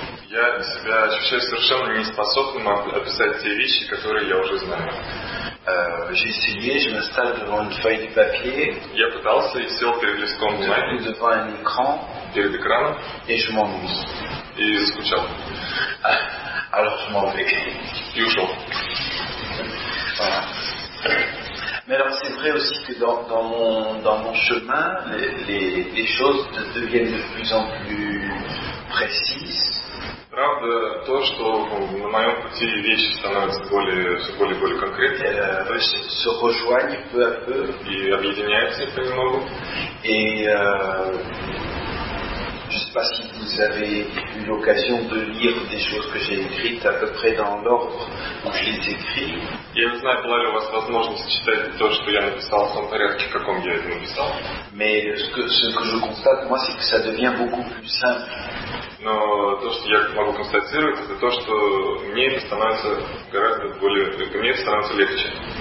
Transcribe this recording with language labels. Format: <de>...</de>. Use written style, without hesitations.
<ru>Я себя ощущаю совершенно неспособным описать те вещи, которые я уже знаю.</ru> <fr>Je m'installe devant une feuille de papier.</fr> <ru>Я пытался и сел перед листком бумаги.</ru> <fr>Devant un écran.</fr> <ru>Перед экраном.</ru> <fr>Et je m'ennuie.</fr> <ru>И скучал.</ru> <fr>Alors je m'en vais.</fr> <ru>И ушел.</ru> <fr>Voilà. Mais alors c'est vrai aussi que dans mon chemin, les choses deviennent de plus en plus précises.</fr> <ru>Правда то, что на моем пути вещи становятся все более конкретными.</ru> <fr>Se rejoignent peu à peu.</fr> <ru>И объединяются понемногу.</ru> <fr>Je ne sais pas si vous avez eu l'occasion de lire des choses que j'ai écrites à peu près dans l'ordre où je les écris.</fr> <ru>Я не знаю, была ли у вас возможность читать то, что я написал, в том порядке, в каком я это написал.</ru> <fr>Mais ce que je constate, moi, c'est que ça devient beaucoup plus simple.</fr> <ru>Но то, что я могу констатировать, это то, что мне это становится гораздо более... Мне это становится легче.</ru>